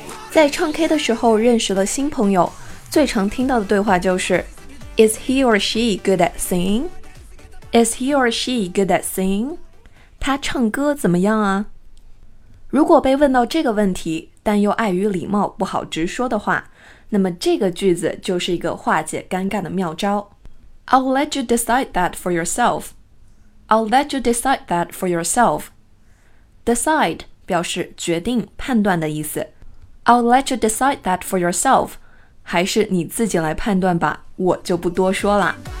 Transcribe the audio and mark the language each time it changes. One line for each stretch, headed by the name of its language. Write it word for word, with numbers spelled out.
Chinese: 在唱 K 的时候认识了新朋友，最常听到的对话就是
English: Is he or she good at singing? Is he or she good at singing?
Chinese: 他唱歌怎么样啊？如果被问到这个问题，但又碍于礼貌不好直说的话，那么这个句子就是一个化解尴尬的妙招。
English: I'll let you decide that for yourself. I'll let you decide that for yourself.
Chinese: Decide 表示决定、判断的意思。
English: I'll let you decide that for yourself.
Chinese: 还是你自己来判断吧，我就不多说了。